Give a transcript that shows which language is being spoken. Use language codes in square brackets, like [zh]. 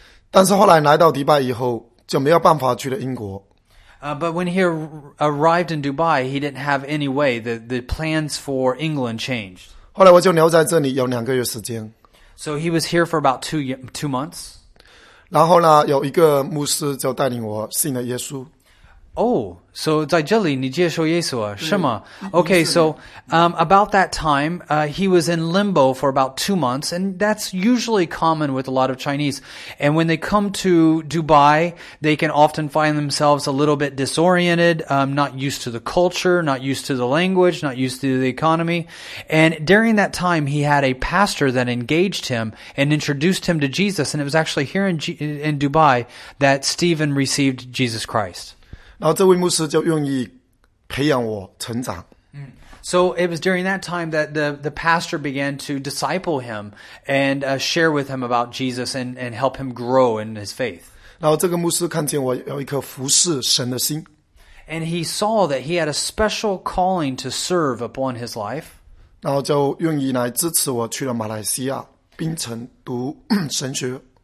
[zh] 但是后来来到迪拜以后, 就没有办法去了英国。 [en] But when he arrived in Dubai, he didn't have any way. The plans for England changed. [zh] 后来我就留在这里有2个月时间。 [en] So he was here for about two months. [zh] 然后呢, 有一个牧师就带领我信了耶稣。 Oh, so 在这里你接受耶稣啊,是吗? [en] Okay, so about that time, he was in limbo for about 2 months, and that's usually common with a lot of Chinese. And when they come to Dubai, they can often find themselves a little bit disoriented, not used to the culture, not used to the language, not used to the economy. And during that time, he had a pastor that engaged him and introduced him to Jesus, and it was actually here in Dubai that Stephen received Jesus Christ. [zh] 然后这位牧师就愿意培养我成长。 [en] So it was during that time that the pastor began to disciple him and share with him about Jesus and help him grow in his faith. [zh] 然后这个牧师看见我有一颗服侍神的心。 [en] And he saw that he had a special calling to serve upon his life. [zh] 然后就愿意来支持我去了马来西亚槟城读神学。